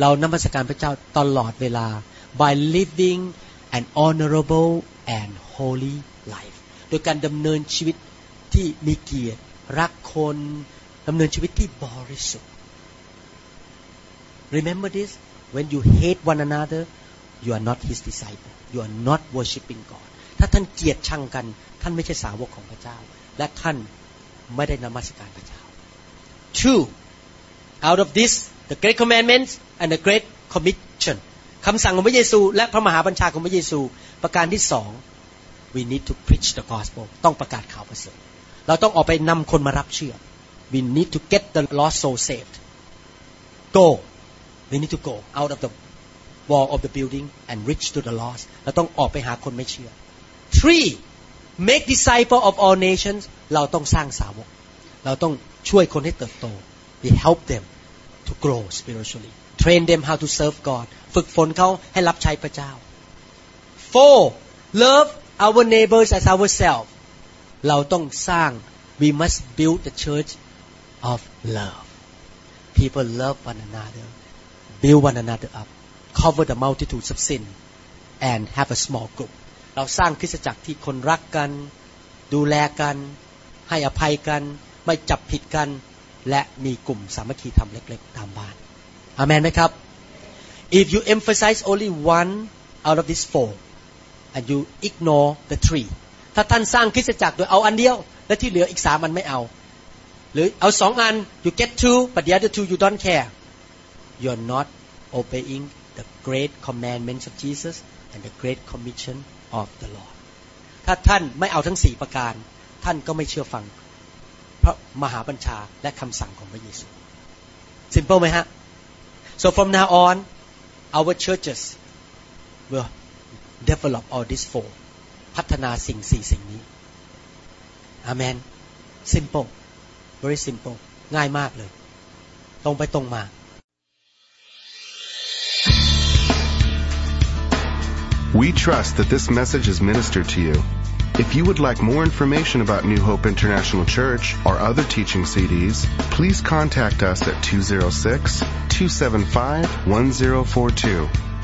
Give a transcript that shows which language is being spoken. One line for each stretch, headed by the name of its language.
Thai: เรานมัสการพระเจ้าตลอดเวลา
English: by living an honorable and holy life.
Thai: โดยการดำเนินชีวิตที่มีเกียรติรักคนดำเนินชีวิตที่บริสุทธิ์
English: Remember this. When you hate one another, you are not His disciple. You are not worshiping God.
Thai: ถ้าท่านเกลียดชังกันท่านไม่ใช่สาวกของพระเจ้าและท่านไม่ได้นมัสการพระเจ้า
English: Two. Out of this, the Great Commandments and the Great Commission,
Thai: คำสั่งของพระเยซูและพระมหาบัญชาของพระเยซูประการที่สอง
English: we need to preach the gospel
Thai: ต้องประกาศข่าวประเสริฐเราต้องออกไปนำคนมารับเชื่อ
English: we need to get the lost soul saved go we need to go out of the wall of the building and reach to the lost
Thai: เราต้องออกไปหาคนไม่เชื่อ
English: three make disciples of all nations
Thai: เราต้องสร้างสาวกเราต้องช่วยคนให้เติบโต
English: We help them to to grow spiritually. Train them how to serve God.
Thai: ฝึกฝนเขาให้รับใช้พระเจ้า
English: 4. Love our neighbors as ourselves.
Thai: เราต้องสร้าง
English: We must build the church of love. People love one another. Build one another up. Cover the multitudes of sin and have a small group.
Thai: เราสร้างคริสตจักรที่คนรักกันดูแลกันให้อภัยกันไม่จับผิดกันและมีกลุ่มสามัคคีธรรมเล็กๆตามบ้านอาเมนไหมครับ
English: If you emphasize only one out of these four and you ignore the three
Thai: ถ้าท่านสร้างคริสตจักรโดยเอาอันเดียวและที่เหลืออีก3อันไม่เอาหรือเอา2อัน
English: you get two but the other two you don't care you're not obeying the great commandments of Jesus and the great commission of the Lord
Thai: ถ้าท่านไม่เอาทั้ง4ประการท่านก็ไม่เชื่อฟัง พระมหาบัญชาและคำสั่งของพระเยซู
English: Simple
Thai: ไหมฮะ
English: So from now on our churches will develop all these four
Thai: พัฒนาสิ่ง4สิ่งนี้
English: Amen Simple Very simple
Thai: ง่ายมากเลยตรงไปตรงมา
English: We trust that this message is ministered to you. If you would like more information about New Hope International Church or other teaching CDs, please contact us at 206-275-1042.